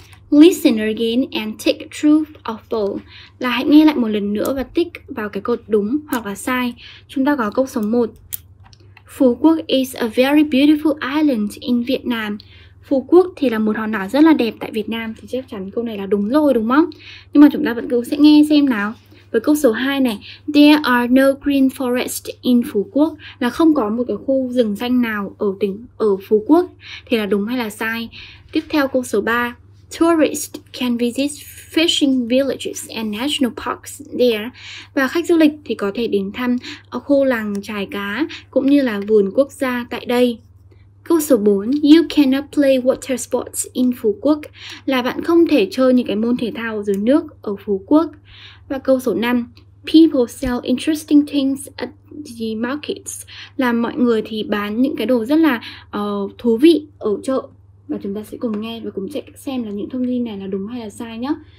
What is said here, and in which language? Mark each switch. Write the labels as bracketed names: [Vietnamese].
[English] Listen again and tick truth or false. [Vietnamese] Là hãy nghe lại một lần nữa và tick vào cái cột đúng hoặc là sai. Chúng ta có câu số 1. [English] Phú Quốc is a very beautiful island in Vietnam. [Vietnamese] Phú Quốc thì là một hòn đảo rất là đẹp tại Việt Nam. Thì chắc chắn câu này là đúng rồi đúng không? Nhưng mà chúng ta vẫn cứ sẽ nghe xem nào. Với câu số 2 này. [English] There are no green forests in Phú Quốc. [Vietnamese] Là không có một cái khu rừng xanh nào ở Phú Quốc. Thì là đúng hay là sai? Tiếp theo câu số 3. [English] Tourists can visit fishing villages and national parks there. [Vietnamese] Và khách du lịch thì có thể đến thăm khu làng chài cá cũng như là vườn quốc gia tại đây. Câu số 4. [English] You cannot play water sports in Phú Quốc. [Vietnamese] Là bạn không thể chơi những cái môn thể thao dưới nước ở Phú Quốc. Và câu số 5. [English] People sell interesting things at the markets. [Vietnamese] Là mọi người thì bán những cái đồ rất là thú vị ở chợ. Và chúng ta sẽ cùng nghe và cùng check xem là những thông tin này là đúng hay là sai nhé.